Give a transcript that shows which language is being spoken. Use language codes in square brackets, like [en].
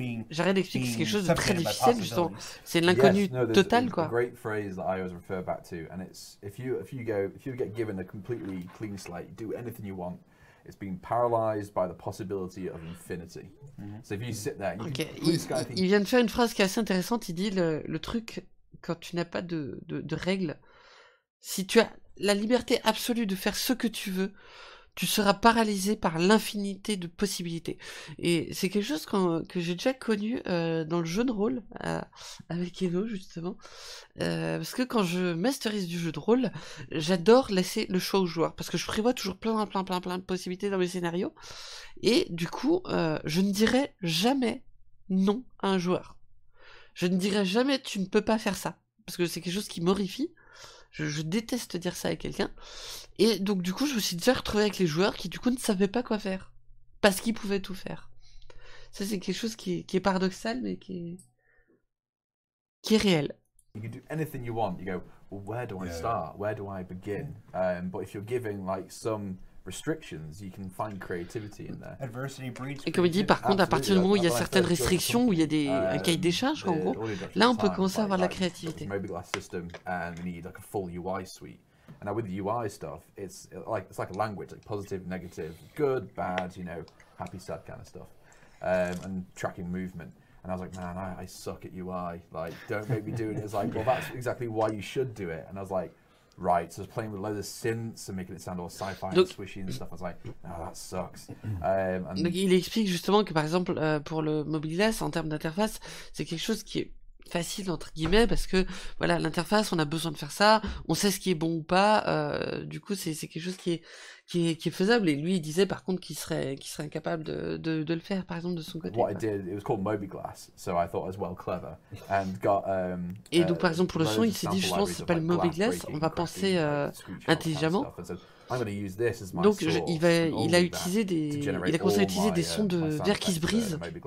[fr] J'arrête d'expliquer, c'est quelque chose de très difficile justement. C'est l'inconnu total, quoi. [en] A great phrase that I always refer back to, and it's if you get given a completely clean slate, do anything you want. It's being paralyzed by the possibility of infinity. Mm-hmm. So if you sit there, you okay. [fr] Il vient de faire une phrase qui est assez intéressante. Il dit le truc quand tu n'as pas de règles, si tu as la liberté absolue de faire ce que tu veux, tu seras paralysé par l'infinité de possibilités. Et c'est quelque chose que j'ai déjà connu dans le jeu de rôle avec Eno, justement. Parce que quand je masterise du jeu de rôle, j'adore laisser le choix aux joueurs. Parce que je prévois toujours plein de possibilités dans mes scénarios. Et du coup, je ne dirai jamais non à un joueur. Je ne dirai jamais tu ne peux pas faire ça. Parce que c'est quelque chose qui m'horrifie. Je déteste dire ça à quelqu'un. Et donc, du coup, je me suis déjà retrouvé avec les joueurs qui, du coup, ne savaient pas quoi faire. Parce qu'ils pouvaient tout faire. Ça, c'est quelque chose qui est paradoxal, mais qui est réel. [en] You can do anything you want. You go, well, where do I start? Where do I begin? But if you're giving, like, some restrictions, you can find creativity in there. Adversity breeds. [fr] Et comme il dit, par contre, à partir du moment où il y a certaines restrictions, où il y a un cahier des charges, en gros, là, on peut commencer à avoir la créativité. [en] Mobile glass system, and we need like a full UI suite. And now with the UI stuff, it's like a language, like positive, negative, good, bad, you know, happy, sad kind of stuff, and tracking movement. And I was like, man, I suck at UI. Like, don't make me do it. It's like, well, that's exactly why you should do it. And I was like, right, so I was playing with a load of synths and making it sound all sci-fi and swishy and stuff. I was like, oh, that sucks. [fr] And donc, il explique justement que, par exemple, pour le Mobilis, en termes d'interface, c'est quelque chose qui est facile, entre guillemets, parce que voilà, l'interface, on a besoin de faire ça, on sait ce qui est bon ou pas, du coup, c'est quelque chose qui est faisable. Et lui, il disait, par contre, qu'il serait incapable de le faire, par exemple, de son côté. [en] What I did, it was called MobiGlass, so I thought it was well clever, and got... [fr] Et donc, par exemple, pour le son, il s'est dit, justement, c'est pas le MobiGlass, on va penser intelligemment. Donc, il a commencé à utiliser des sons de verre qui se brise.